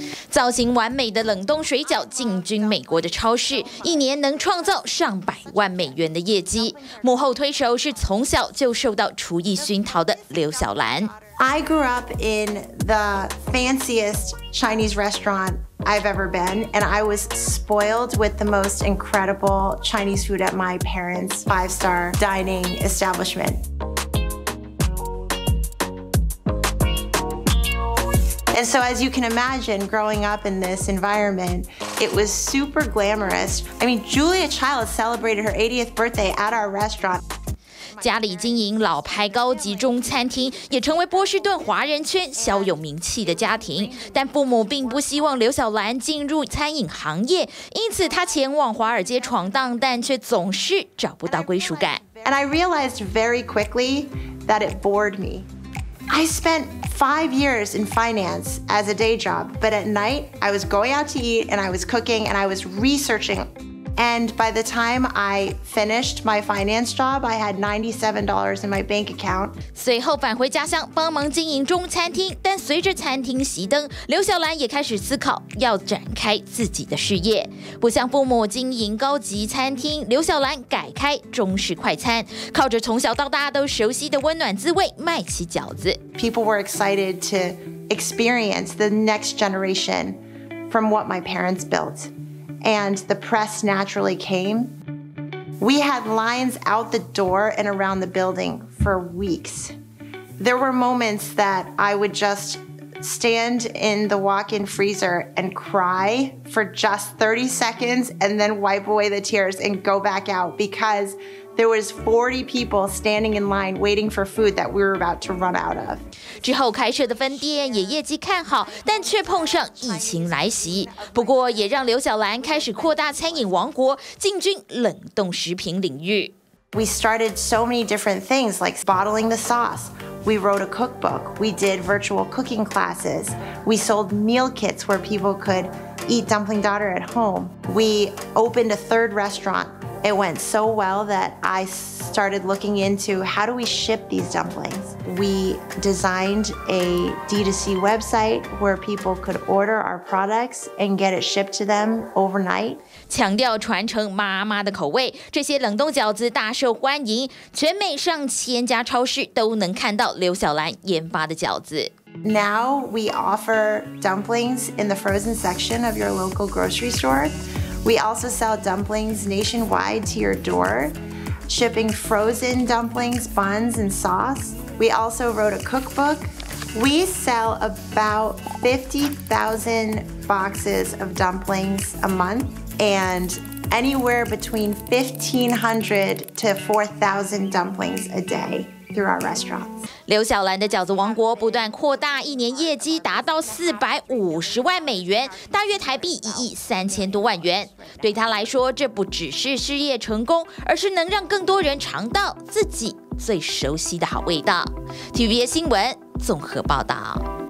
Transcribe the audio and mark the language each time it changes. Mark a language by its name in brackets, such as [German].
[Chinese] 造型完美的冷冻水饺进军美国的超市，一年能创造上百万美元的业绩。幕后推手是从小就受到厨艺熏陶的刘小兰。 [English] I grew up in the fanciest Chinese restaurant I've ever been, and I was spoiled with the most incredible Chinese food at my parents' five-star dining establishment. And so as you can imagine, growing up in this environment, it was super glamorous. I mean, Julia Child celebrated her 80th birthday at our restaurant. [Chinese] 家里经营老牌高级中餐厅，也成为波士顿华人圈小有名气的家庭。但父母并不希望刘小兰进入餐饮行业，因此她前往华尔街闯荡，但却总是找不到归属感。 [English] And I realized very quickly that it bored me. I spent 5 years in finance as a day job, but at night I was going out to eat and I was cooking and I was researching. And by the time I finished my finance job, I had $97 in my bank account. [Chinese] 随后返回家乡帮忙经营中餐厅，但随着餐厅熄灯，刘小兰也开始思考要展开自己的事业。不像父母经营高级餐厅，刘小兰改开中式快餐，靠着从小到大都熟悉的温暖滋味卖起饺子。 [English] People were excited to experience the next generation from what my parents built. And the press naturally came. We had lines out the door and around the building for weeks. There were moments that I would just stand in the walk-in freezer and cry for just 30 seconds and then wipe away the tears and go back out because there was 40 people standing in line waiting for food that we were about to run out of. [Chinese] 之后开设的分店也业绩看好，但却碰上疫情来袭。不过也让刘小兰开始扩大餐饮王国，进军冷冻食品领域。 [English] We started so many different things, like bottling the sauce. We wrote a cookbook. We did virtual cooking classes. We sold meal kits where people could eat dumpling daughter at home. We opened a third restaurant. It went so well that I started looking into how do we ship these dumplings. We designed a D2C website where people could order our products and get it shipped to them overnight. [Chinese] 强调传承妈妈的口味，这些冷冻饺子大受欢迎，全美上千家超市都能看到刘小兰研发的饺子。 [English] Now we offer dumplings in the frozen section of your local grocery store. We also sell dumplings nationwide to your door, shipping frozen dumplings, buns, and sauce. We also wrote a cookbook. We sell about 50,000 boxes of dumplings a month. And anywhere between 1,500 to 4,000 dumplings a day through our restaurants. [Chinese] 刘小兰的饺子王国不断扩大，一年业绩达到$450万，大约台币1.3亿元。对她来说，这不只是事业成功，而是能让更多人尝到自己最熟悉的好味道。 TVBS 新闻综合报道。